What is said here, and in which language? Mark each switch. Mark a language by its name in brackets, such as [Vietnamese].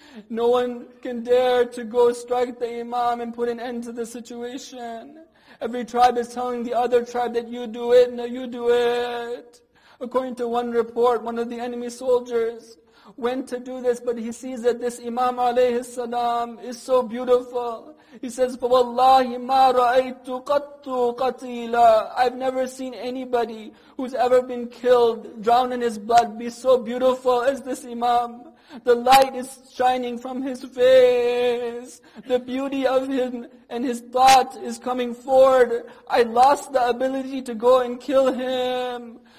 [English] No one can dare to go strike the Imam and put an end to the situation. Every tribe is telling the other tribe that you do it, no, you do it. According to one report, one of the enemy soldiers went to do this, but he sees that this Imam alayhi salam is so beautiful. [Arabic] He says, فَوَاللَّهِ مَا رَأَيْتُ قَطُّ قَتِيلًا. [English] I've never seen anybody who's ever been killed, drowned in his blood, be so beautiful as this Imam. The light is shining from his face. The beauty of him and his thought is coming forward. I lost the ability to go and kill him.